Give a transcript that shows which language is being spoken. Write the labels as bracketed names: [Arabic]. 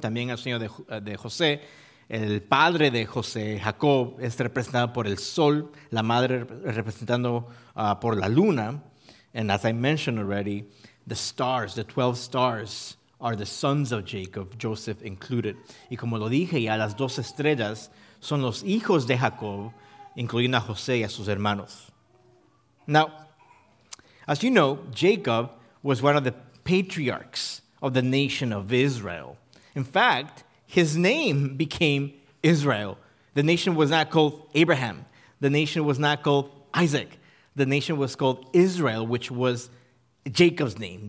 [Spanish] También el sueño de José, el padre de José, Jacob, es representado por el sol, la madre representando por la luna. [English] And as I mentioned already, the stars, the 12 stars, are the sons of Jacob, Joseph included. [Spanish] Y como lo dije ya, las 12 estrellas son los hijos de Jacob, incluyendo a José y a sus hermanos. [English] Now, as you know, Jacob was one of the patriarchs of the nation of Israel. In fact, his name became Israel. The nation was not called Abraham. The nation was not called Isaac. The nation was called Israel, which was Jacob's name.